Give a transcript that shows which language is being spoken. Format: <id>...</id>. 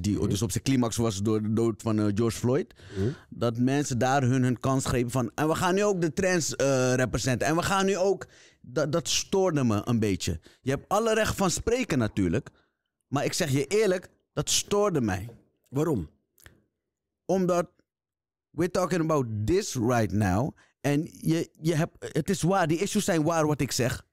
<nl>die dus op zijn climax was door de dood van George Floyd... dat mensen daar hun kans grepen van... en we gaan nu ook de trans representen. En we gaan nu ook... Dat stoorde me een beetje. Je hebt alle recht van spreken natuurlijk. Maar ik zeg je eerlijk, dat stoorde mij. Waarom?</nl> <en>Omdat we're talking about this right now.</en> <nl>En je hebt, het is waar, die issues zijn waar wat ik zeg.</nl>